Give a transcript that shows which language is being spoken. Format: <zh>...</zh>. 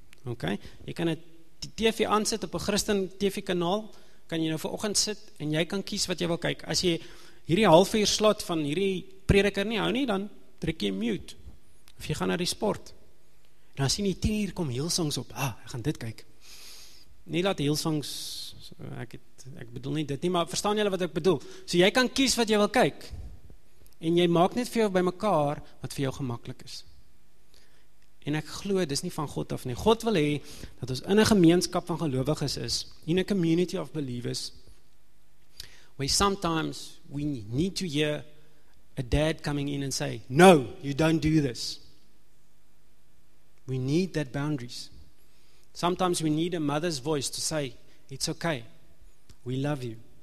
<af>Ok, jy kan die TV aansit op een Christen TV kanaal, kan jy nou vir oggend sit, en jy kan kies wat jy wil kyk. As jy hierdie half uur slot van hierdie prediker nie hou nie, dan druk jy mute, of jy gaan naar die sport. En dan sien jy 10 uur kom Hillsongs op, ek gaan dit kyk. Nie laat Hillsongs, ek bedoel nie dit nie, maar verstaan julle wat ek bedoel? So jy kan kies wat jy wil kyk, en jy maak net vir jou by mekaar wat vir jou gemakkelijk is. En ek glo, dit is nie van God af nie. God wil hê dat ons in 'n gemeenskap van gelowiges is,</af> <en>in a community of believers, where sometimes we need to hear a dad coming in and say, no, you don't do this. We need that boundaries. Sometimes we need a mother's voice to say, it's okay. We love you.</en>